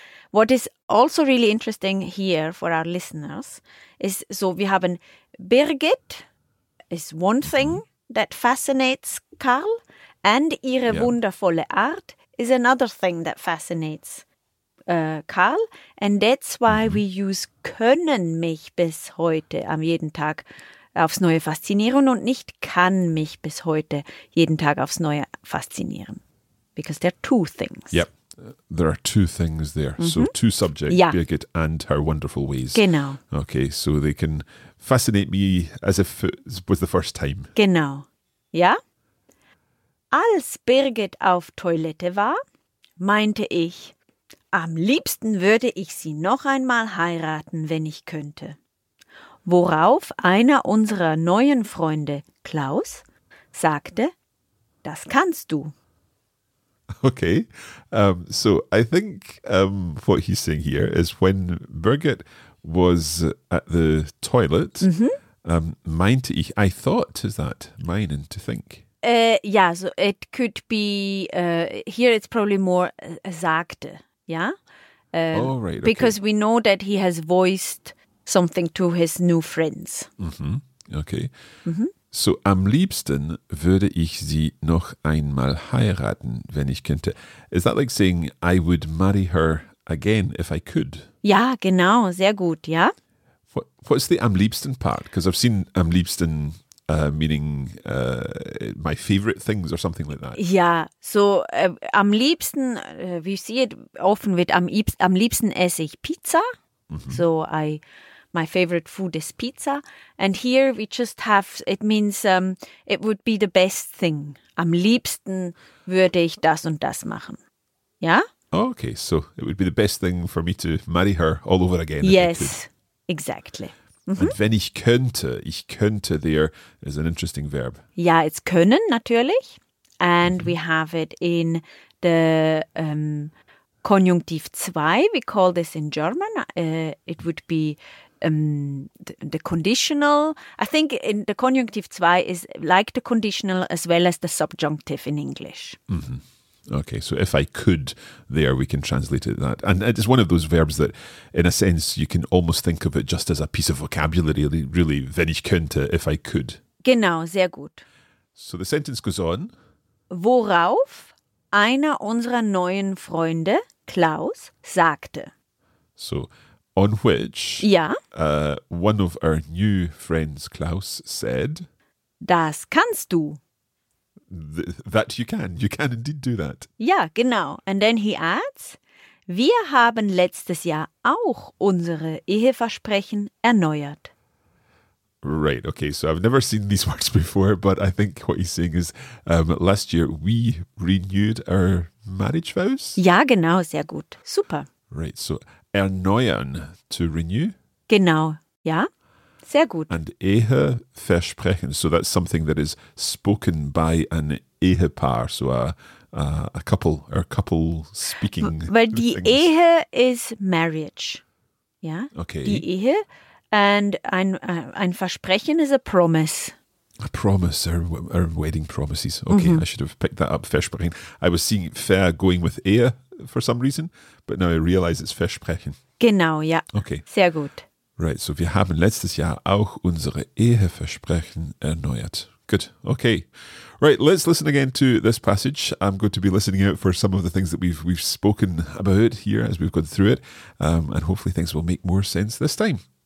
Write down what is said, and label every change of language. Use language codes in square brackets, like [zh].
[en] What is also really interesting here for our listeners is, so we have an Birgit is one thing that fascinates Karl, and [de] ihre wundervolle Art [en] is another thing that fascinates Karl. And that's why we use [de] können mich bis heute am jeden Tag aufs Neue faszinieren und nicht kann mich bis heute jeden Tag aufs Neue faszinieren. [en] Because they're two things. Yep. there are two things there. Mm-hmm. So two subjects, yeah. Birgit and her wonderful ways. [de] Genau. [en] Okay, so they can fascinate me as if it was the first time. [de] Genau. Ja? Als Birgit auf Toilette war, meinte ich, am liebsten würde ich sie noch einmal heiraten, wenn ich könnte. Worauf einer unserer neuen Freunde, Klaus, sagte, das kannst du. [en] Okay, so I think what he's saying here is when Birgit was at the toilet, mm-hmm. [de] Meinte ich, [en] I thought, is that meinen, to think? Yeah, so it could be, here it's probably more sagte, yeah? Oh, right, okay. Because we know that he has voiced something to his new friends. Mm-hmm. Okay. Mm-hmm. [de] So, am liebsten würde ich sie noch einmal heiraten, wenn ich könnte. [en] Is that like saying, I would marry her again if I could? [de] Ja, genau, sehr gut, ja. [en] What's the am liebsten part? Because I've seen am liebsten meaning my favorite things or something like that. [de] Ja, so am liebsten, [en] we see it often with [de] am liebsten esse ich Pizza. Mm-hmm. [en] So, my favorite food is pizza. And here we just have, it means it would be the best thing. [de] Am liebsten würde ich das und das machen. Ja? [en] Oh, okay, so it would be the best thing for me to marry her all over again. Yes, exactly. Mm-hmm. And [de] wenn ich könnte [en] there is an interesting verb. [de] Ja, it's können, natürlich. [en] And mm-hmm. we have it in the Konjunktiv 2. We call this in German. It would be the conditional. I think in the Konjunktiv 2 is like the conditional as well as the subjunctive in English. Mm-hmm. Okay, so if I could there, we can translate it that. And it is one of those verbs that, in a sense, you can almost think of it just as a piece of vocabulary, really, [de] wenn ich könnte, [en] if I could. [de] Genau, sehr gut. [en] So the sentence goes on. [de] Worauf einer unserer neuen Freunde, Klaus, sagte. [en] So, on which, [de] ja. [en] One of our new friends, Klaus, said. [de] Das kannst du. [en] That you can indeed do that. [de] Ja, genau. [en] And then he adds, [de] wir haben letztes Jahr auch unsere Eheversprechen erneuert. [en] Right, okay, so I've never seen these words before, but I think what he's saying is, last year we renewed our marriage vows? [de] Ja, genau, sehr gut, super. [en] Right, so erneuern, to renew? [de] Genau, ja, sehr gut. [en] And Ehe versprechen, so that's something that is spoken by an Ehepaar, so a couple, or couple speaking. Well, die Ehe is marriage, ja? Okay. [de] Die Ehe. [en] And ein Versprechen is a promise. A promise, or wedding promises. Okay, mm-hmm. I should have picked that up, Versprechen. I was seeing Ver going with Ehe for some reason, but now I realize it's Versprechen. [de] Genau, ja. [en] Okay. [de] Sehr gut. [en] Right, so [de] wir haben letztes Jahr auch unsere Eheversprechen erneuert. [en] Good, okay. Right, let's listen again to this passage. I'm going to be listening out for some of the things that we've spoken about here as we've gone through it, and hopefully things will make more sense this time.